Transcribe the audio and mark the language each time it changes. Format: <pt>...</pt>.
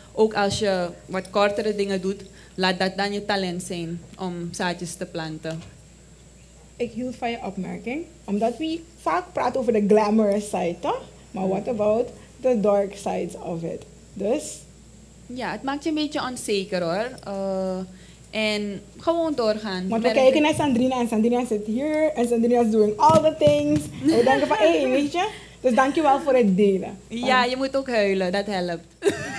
<nl>Ook als je wat kortere dingen doet, laat dat dan je talent zijn om zaadjes te planten. Ik hield van je opmerking, omdat we vaak praten over de glamorous side, toch?</nl> <en>Maar what about the dark sides of it?</en> <nl>Dus? Ja, het maakt je een beetje onzeker hoor. En gewoon doorgaan. Want we kijken naar Sandrina en Sandrina zit hier en Sandrina</nl> <en>is doing all the things.</en> <nl>En we denken van, hey, weet je? Dus dankjewel voor het delen. Ja, je moet ook huilen, dat helpt.</nl>